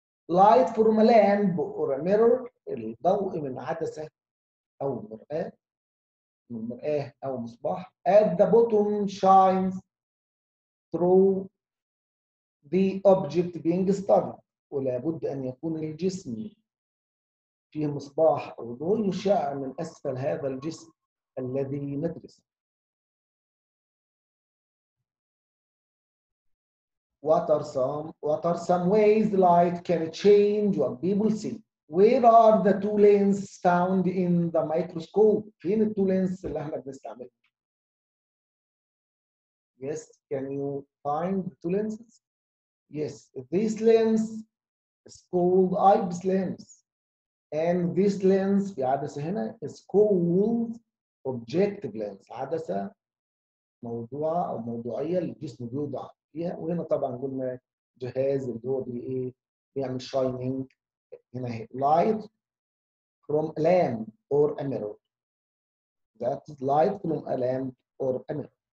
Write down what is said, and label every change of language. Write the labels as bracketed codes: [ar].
[en] Light from a lamp or a mirror [ar] الضوء من عدسة أو مرآة من مرآة أو مصباح [en] at the bottom shines through the object being studied [ar] ولا بد ان يكون الجسم فيه مصباح او ضوء يشع من اسفل هذا الجسم الذي ندرسه. [en] What are some ways light can change what people see? Where are the two lenses found in the microscope? [ar] فين التو لينز اللي احنا بنستعملها؟ [en] Yes, can you find the two lenses? Yes, this lens is called eyepiece lens. And this lens, [ar] في عدسة هنا, [en] is called objective lens. [ar] عدسة موضوعة أو موضوعية للجسم بيوضع فيها. وهنا طبعاً قلنا جهاز اللي هو بيعمل shining هنا هي. [en] Light from a lamp or a mirror. That is light from a lamp or a mirror.